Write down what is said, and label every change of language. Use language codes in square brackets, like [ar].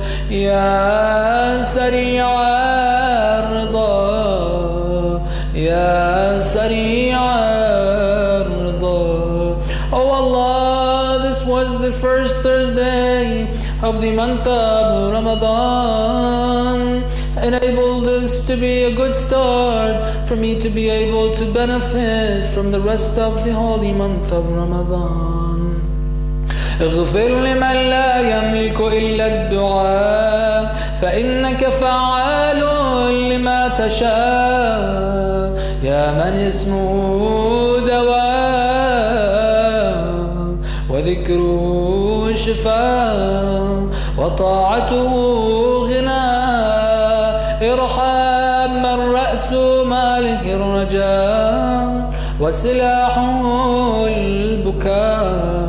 [ar] يا سريع الرضا يا سريع الرضا [en] Oh Allah, this was the first Thursday of the month of Ramadan. Enable this to be a good start for me to be able to benefit from the rest of the holy month of Ramadan. [ar] اغفر لمن لا يملك إلا الدعاء فإنك فعال لما تشاء يا من اسمه دواء وذكره شفاء وطاعته غناء ارحم من رأس ماله الرجاء وسلاحه البكاء